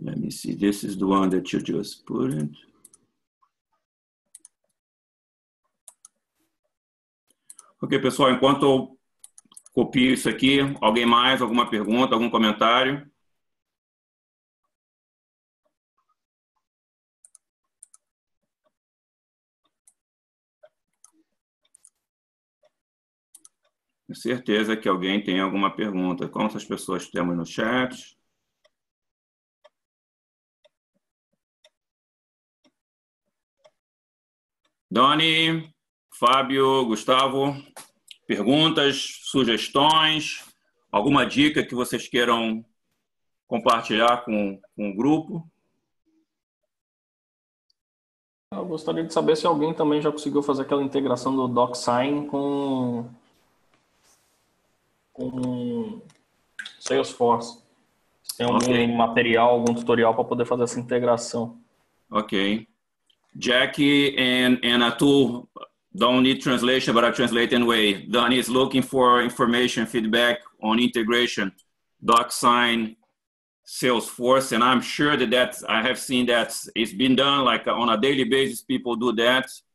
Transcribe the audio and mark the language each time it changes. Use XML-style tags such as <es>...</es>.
<en>see. This is the one that you just put in.</en> <pt>Ok, pessoal, enquanto eu copio isso aqui, alguém mais, alguma pergunta, algum comentário? Tenho certeza que alguém tem alguma pergunta. Quantas pessoas temos no chat? Doni, Fábio, Gustavo, perguntas, sugestões, alguma dica que vocês queiram compartilhar com o grupo? Eu gostaria de saber se alguém também já conseguiu fazer aquela integração do DocSign com Salesforce. Se tem algum material, algum tutorial para poder fazer essa integração. Ok.</pt> <en>Jackie and Atul, don't need translation, but I translate anyway. Donnie is looking for information, feedback on integration, DocSign, Salesforce, and I'm sure that I have seen that it's been done, like on a daily basis, people do that.</en>